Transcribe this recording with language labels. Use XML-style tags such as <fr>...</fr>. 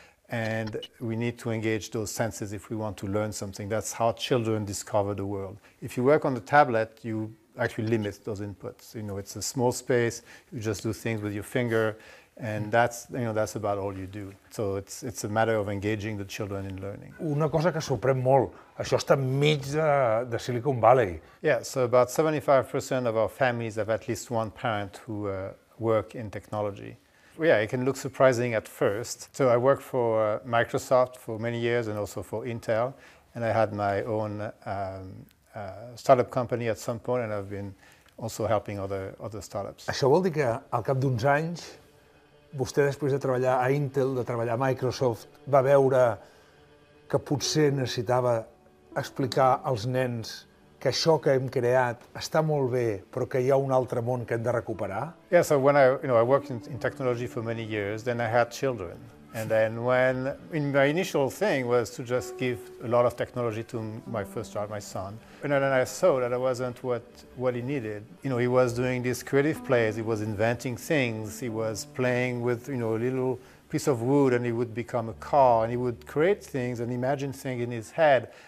<en>And we need to engage those senses if we want to learn something. That's how children discover the world. If you work on the tablet, you actually limit those inputs. You know, it's a small space, you just do things with your finger, and that's, you know, that's about all you do. So it's a matter of engaging the children in learning.</en> <ca>Una cosa que sorprèn molt, això està enmig de Silicon Valley.</ca> <en>Yeah, so about 75% of our families have at least one parent who work in technology. Yeah, it can look surprising at first. So I worked for Microsoft for many years and also for Intel, and I had my own startup company at some point, and I've been also helping other startups.</en> <ca>Això vol dir que al cap d'uns anys, vostè després de treballar a Intel, de treballar a Microsoft, va veure que potser necessitava explicar als nens que això que hem creat està molt bé, però que hi ha un altre món que hem de recuperar.</ca> <en>Yeah, so when I worked in technology for many years, then I had children. And then my initial thing was to just give a lot of technology to my first child, my son. And then I saw that it wasn't what he needed. You know, he was doing these creative plays, he was inventing things, he was playing with, you know, a little piece of wood and he would become a car and he would create things and imagine things in his head.</en>